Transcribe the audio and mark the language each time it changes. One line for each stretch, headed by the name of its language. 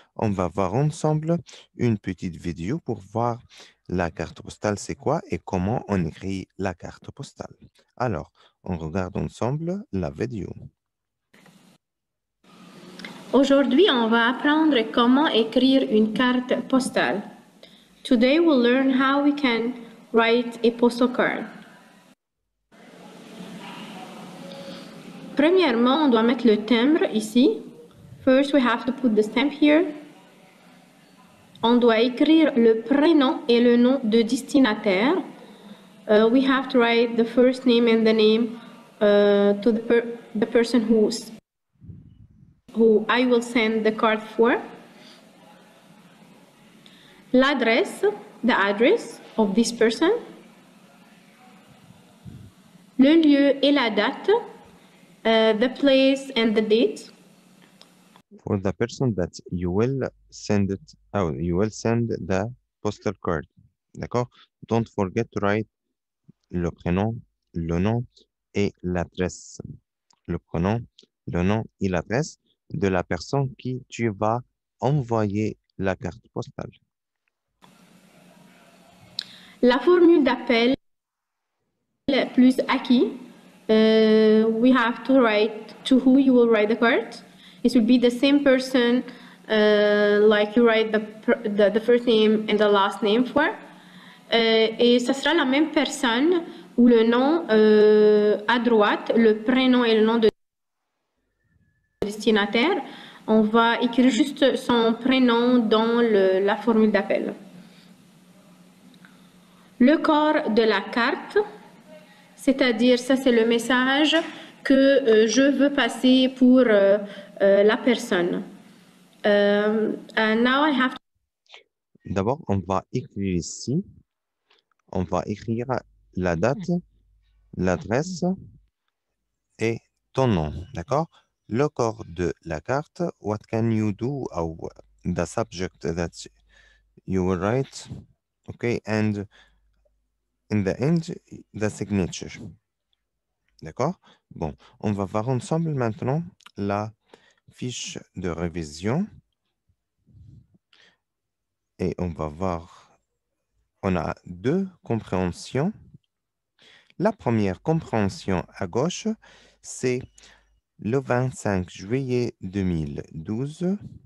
French: On va voir ensemble une petite vidéo pour voir la carte postale, c'est quoi et comment on écrit la carte postale. Alors, on regarde ensemble la vidéo. Aujourd'hui, on va apprendre comment écrire une carte postale.
English: Today, we'll learn how we can write a postal card.
French: Premièrement, on doit mettre le timbre ici.
English: First, we have to put the stamp here.
French: On doit écrire le prénom et le nom de destinataire.
English: We have to write the first name and the name to the person who I will send the card for.
French: L'adresse,
English: the address of this person.
French: Le lieu et la date,
English: the place and the date. For the person that you will send it, you will send the postal card.
French: D'accord?
English: Don't forget to write
French: le prénom, le nom et l'adresse. Le prénom, le nom et l'adresse de la personne qui tu vas envoyer la carte postale. La formule d'appel plus à qui?
English: We have to write to who you will write the card. It will be the same person like you write the first name and the last name for.
French: Et ce sera la même personne ou le nom à droite, le prénom et le nom de destinataire, on va écrire juste son prénom dans la formule d'appel. Le corps de la carte, c'est-à-dire ça c'est le message que je veux passer pour la personne.
English: Now I have to...
French: D'abord, on va écrire ici, on va écrire la date, l'adresse et ton nom, d'accord? Le corps de la carte,
English: what can you do, or the subject that you will write, okay, and in the end, the signature.
French: D'accord? Bon, on va voir ensemble maintenant la fiche de révision. Et on va voir, on a deux compréhensions. La première compréhension à gauche, c'est le 25 juillet 2012.